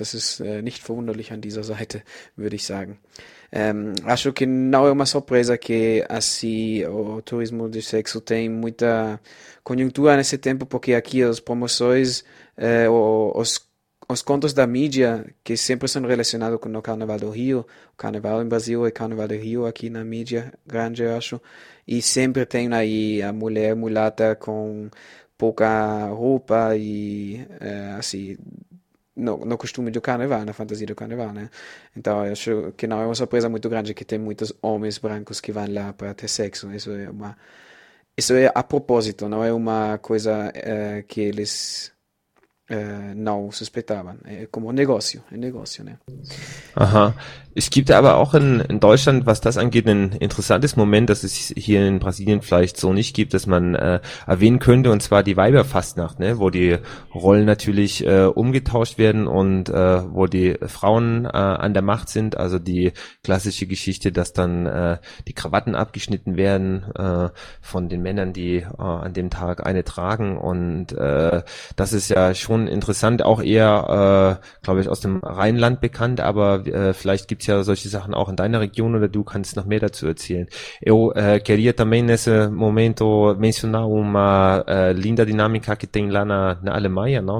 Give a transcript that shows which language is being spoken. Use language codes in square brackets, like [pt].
[de] Das ist nicht verwunderlich an dieser Seite, würde ich sagen. [pt] Acho que não é uma surpresa que assim o turismo de sexo tem muita conjuntura nesse tempo, porque aqui as promoções, os contos da mídia, que sempre são relacionados com o Carnaval do Rio, o Carnaval em Brasil e o Carnaval do Rio aqui na mídia grande, eu acho, e sempre tem aí a mulher mulata com pouca roupa e assim... No costume do carnaval, na fantasia do carnaval, né? Então, eu acho que não é uma surpresa muito grande que tem muitos homens brancos que vão lá para ter sexo. Isso é a propósito, não é uma coisa que eles não suspeitavam. É como um negócio, né? Aham. [de] Es gibt aber auch in Deutschland, was das angeht, ein interessantes Moment, das es hier in Brasilien vielleicht so nicht gibt, dass man erwähnen könnte, und zwar die Weiberfastnacht, ne, wo die Rollen natürlich umgetauscht werden und wo die Frauen an der Macht sind, also die klassische Geschichte, dass dann die Krawatten abgeschnitten werden von den Männern, die an dem Tag eine tragen, und das ist ja schon interessant, auch eher, glaube ich, aus dem Rheinland bekannt, aber vielleicht gibt es ja solche Sachen auch in deiner Region oder du kannst noch mehr dazu erzählen. [pt] Io queria também nesse momento mencionar uma linda dinâmica que tem lá na Alemanha, não?